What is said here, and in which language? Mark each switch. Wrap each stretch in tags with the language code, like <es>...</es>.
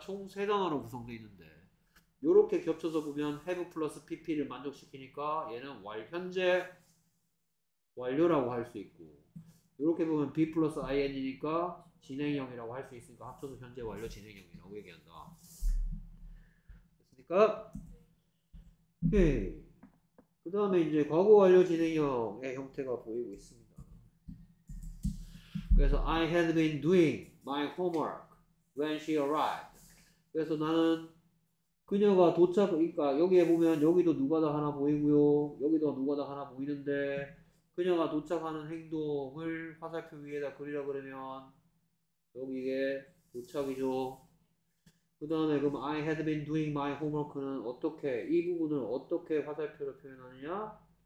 <ko>총세 단어로 구성되어 있는데 요렇게 겹쳐서 보면 have 플러스 pp를 만족시키니까 얘는 while 현재 완료라고 할수 있고 요렇게 보면 be 플러스 ing니까 진행형이라고 할수 있으니까 합쳐서 현재 완료 진행형이라고 얘기한다. 됐습니까? 오케이. 그 다음에 이제 과거 완료 진행형의 형태가 보이고 있습니다.</ko> <en>그래서 I had been doing my homework when she arrived.</en> <ko>그래서 나는 그녀가 도착, 그러니까 여기에 보면 여기도 누가다 하나 보이고요. 여기도 누가다 하나 보이는데 그녀가 도착하는 행동을 화살표 위에다 그리라 그러면 여기에 도착이죠. 그 다음에 그럼 I had been doing my homework 는 어떻게, 이 부분을 어떻게 화살표로 표현하느냐?</ko>